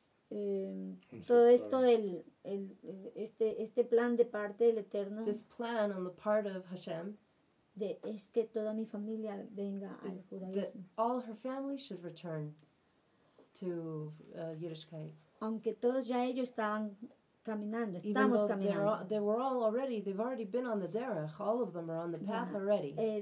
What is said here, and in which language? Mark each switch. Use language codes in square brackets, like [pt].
[es] todo esto este plan de parte del Eterno, [en] this plan on the part of Hashem, [es] de es que toda mi familia venga al judaísmo, [en] that all her family should return to Yiddishkeit, [es] aunque todos ya ellos estaban caminando, estamos caminando, [en] they've already been on the derech, all of them are on the path already.